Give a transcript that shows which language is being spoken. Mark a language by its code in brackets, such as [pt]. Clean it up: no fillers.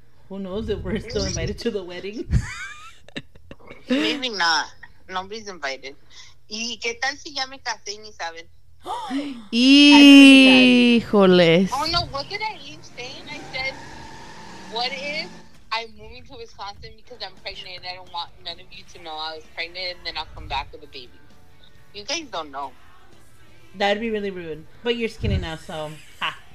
[en] Who knows if we're still invited to the wedding? Maybe not. Nobody's invited. [es] ¿Y qué tal si ya me casé y ni saben? Híjoles. [en] Oh no, what did I even say? I said, what if I'm moving to Wisconsin because I'm pregnant and I don't want none of you to know I was pregnant and then I'll come back with a baby? You guys don't know. That'd be really rude. But you're skinny now, so ha.